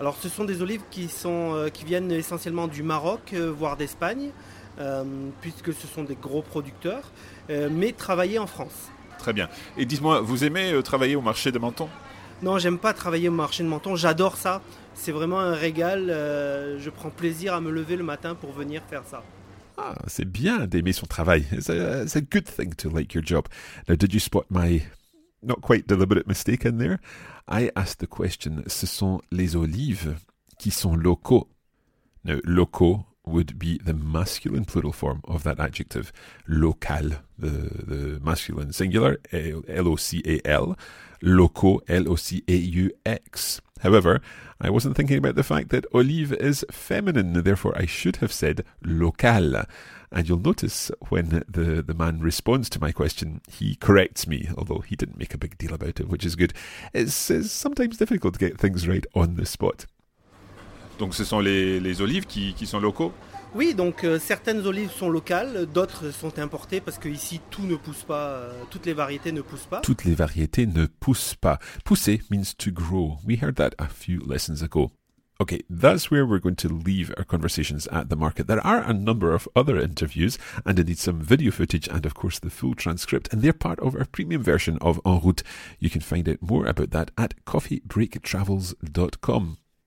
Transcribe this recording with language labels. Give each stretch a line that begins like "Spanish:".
French: Alors ce sont des olives qui viennent essentiellement du Maroc, voire d'Espagne, puisque ce sont des gros producteurs, mais travaillées en France. Très bien. Et dites-moi, vous aimez travailler au marché de Menton ? Non, j'aime pas travailler au marché de Menton, j'adore ça. C'est vraiment un régal, je prends plaisir à me lever le matin pour venir faire ça. Ah, c'est bien d'aimer son travail.
English: It's a good thing to like your job. Now, did you spot my not quite deliberate mistake in there? I asked the question,
French: ce sont les olives qui sont locaux.
English: Now, locaux would be the masculine plural form of that adjective. Local, the masculine singular, L-O-C-A-L. Locaux, L-O-C-A-U-X. However, I wasn't thinking about the fact that olive is feminine, therefore I should have said local. And you'll notice when the man responds to my question, he corrects me, although he didn't make a big deal about it, which is good. It's sometimes difficult to get things right on the spot.
French: Donc ce sont les olives qui sont locaux ? Oui, donc certaines olives sont locales, d'autres sont importées parce que ici tout ne pousse pas, toutes les variétés ne poussent pas. Toutes les variétés ne poussent pas.
English: Pousser means to grow. We heard that a few lessons ago. Okay, that's where we're going to leave our conversations at the market. There are a number of other interviews and indeed some video footage and of course the full transcript, and they're part of our premium version of En Route. You can find out more about that at coffeebreaktravels.com.